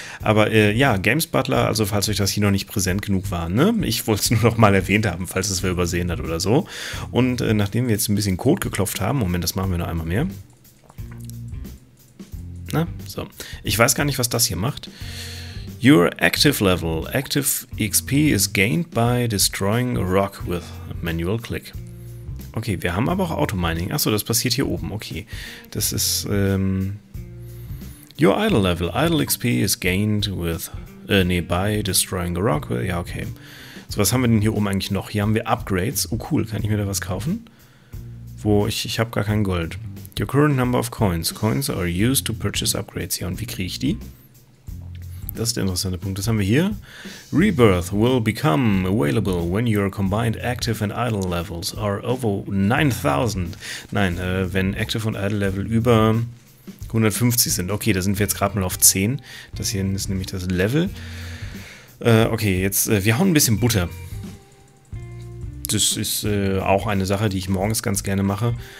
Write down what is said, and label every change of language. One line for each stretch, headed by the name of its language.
German: Aber ja, Games Butler, also falls euch das hier noch nicht präsent genug war, ne? Ich wollte es nur noch mal erwähnt haben, falls es wer übersehen hat oder so. Und nachdem wir jetzt ein bisschen Code geklopft haben, Moment, das machen wir noch einmal mehr. Na, so. Ich weiß gar nicht, was das hier macht.
English: Your active level. Active XP is gained by destroying a rock with a manual click.
German: Okay, wir haben aber auch Auto-Mining. Achso, das passiert hier oben. Okay. Das ist,
English: Your idle level. Idle XP is gained with... by destroying a rock.
German: Ja, okay. So, was haben wir denn hier oben eigentlich noch? Hier haben wir Upgrades. Oh, cool. Kann ich mir da was kaufen? Wo? Ich habe gar kein Gold.
English: Your current number of coins. Coins are used to purchase upgrades.
German: Ja, und wie kriege ich die? Das ist der interessante Punkt. Das haben wir hier.
English: Rebirth will become available when your combined active and idle levels are over 9000.
German: Nein, wenn active und idle level über 150 sind. Okay, da sind wir jetzt gerade mal auf 10. Das hier ist nämlich das Level. Okay, jetzt, wir hauen ein bisschen Butter. Das ist auch eine Sache, die ich morgens ganz gerne mache.